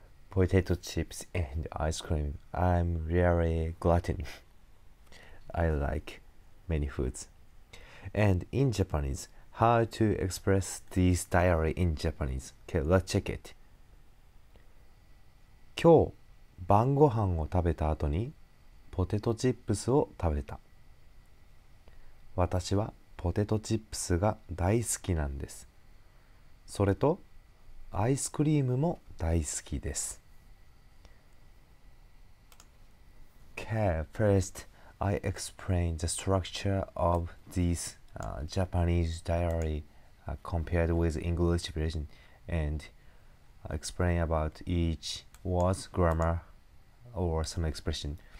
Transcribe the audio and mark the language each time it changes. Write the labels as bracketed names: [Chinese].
[English] Potato chips and ice cream. I'm really glutton. I like many foods. And in Japanese, how to express this diary in Japanese? Okay, let's check it. [Japanese] 今日、晩ご飯を食べた後にポテトチップスを食べた。私はポテトチップスが大好きなんです。それとアイスクリームも大好きです。 [English] Okay, first, I explain the structure of this Japanese diary compared with English version and explain about each words, grammar, or some expression.